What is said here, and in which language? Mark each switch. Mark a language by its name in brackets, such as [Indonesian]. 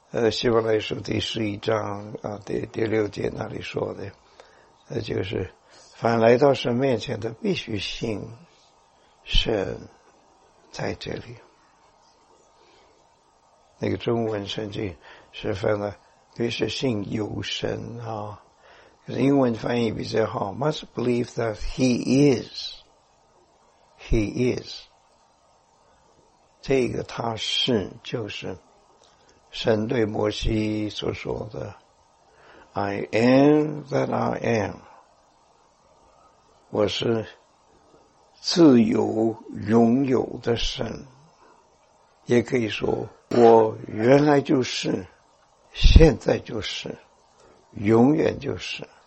[Chinese] 希伯来书第十一章啊，第六节那里说的，就是凡来到神面前的，必须信神在这里。那个中文圣经是翻了，必须信有神啊。英文翻译比较好 ， [English] must believe that he is， [Chinese] he is， 这个他是就是。神对摩西所说的 [English] I am that I am， [Chinese] 我是自由拥有的神，也可以说我原来就是，现在就是，永远就是。